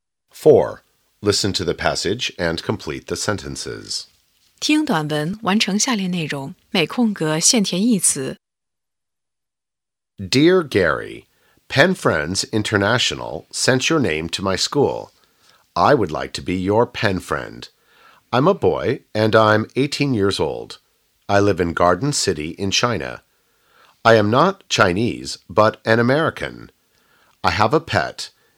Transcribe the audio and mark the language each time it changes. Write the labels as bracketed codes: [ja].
[en] Four. Listen to the passage and complete the sentences. [zh] 听短文，完成下列内容，每空格限填一词。 [en] Dear Gary, Pen Friends International sent your name to my school. I would like to be your pen friend. I'm a boy and I'm 18 years old. I live in Garden City in China. I am not Chinese, but an American. I have a pet.